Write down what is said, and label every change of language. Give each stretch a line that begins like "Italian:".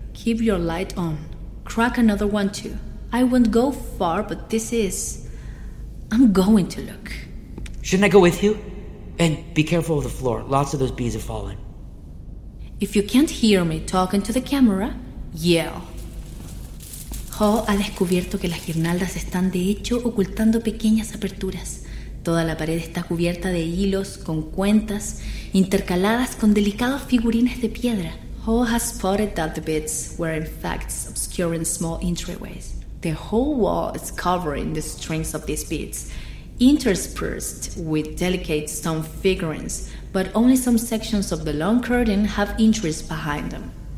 English: Keep your light on. Crack another one too. I won't go far, but this is... I'm going to look. Shouldn't I go with you? And be careful of the floor. Lots of those bees have fallen. If you can't hear me talking to the camera, yell.
Spanish: Hall ha descubierto que las guirnaldas están de hecho ocultando pequeñas aperturas. Toda la pared está cubierta de hilos con cuentas intercaladas con delicados figurines de piedra.
English: Hall has spotted that the bits were in fact obscuring small entryways. The whole wall is covering the strings of these beads, interspersed with delicate stone figurines, but only some sections of the long curtain have entries behind them.